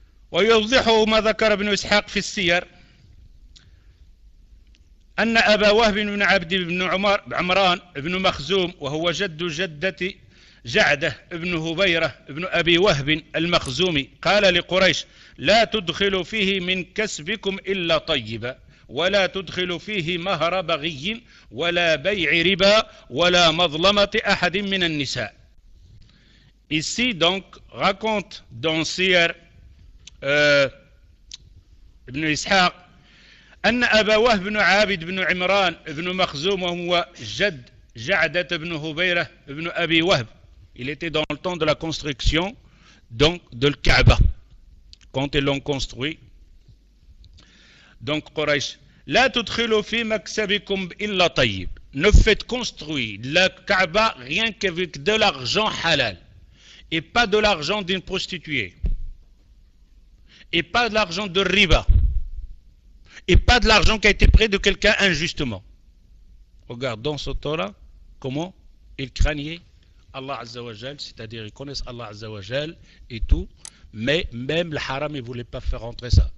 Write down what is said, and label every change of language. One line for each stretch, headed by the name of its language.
Arabic: ويوضح ما ذكر ابن إسحاق في السير أن أبا وهب بن عبد بن عمر عمران بن مخزوم وهو جد جدة جعدة بن هبيرة بن أبي وهب المخزومي قال لقريش لا تدخلوا فيه من كسبكم إلا طيبا، ولا تدخلوا فيه مهر بغي ولا بيع ربا ولا مظلمة أحد من النساء.
French: ici donc raconte dans
Arabic: سير ابن إسحاق أن أبواه بن عابد بن عمران بن مخزوم وهو جد جعدة بن هبيرة بن أبي وهب.
French: il était dans le temps de la construction donc de la Kaaba quand ils l'ont construit.
Arabic: donc Quraysh لا تدخلوا في مكسبكم إلا طيب.
French: ne faites construire la Kaaba rien qu'avec de l'argent halal et pas de l'argent d'une prostituée et pas de l'argent de riba et pas de l'argent qui a été pris de quelqu'un injustement. Regardons ce temps-là comment ils craignaient Allah Azza wa Jal, c'est-à-dire ils connaissent Allah Azza wa Jal et tout, mais même le haram ils ne voulaient pas faire rentrer ça.